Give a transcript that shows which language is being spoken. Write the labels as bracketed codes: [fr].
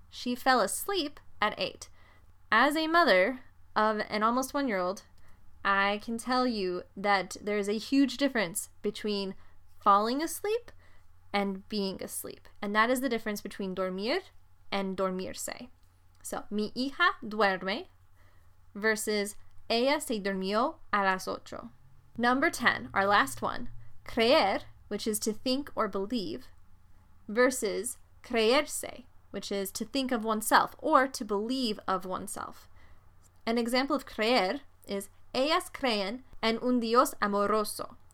[en] She fell asleep at 8. As a mother of an almost 1-year-old, I can tell you that there is a huge difference between falling asleep and being asleep. And that is the difference between dormir and dormirse. [es] So, mi hija duerme versus ella se durmió a las ocho. [en] Number 10, our last one, creer, which is to think or believe, versus creerse, which is to think of oneself or to believe of oneself. An example of creer is [es] ellas creen en un Dios amoroso.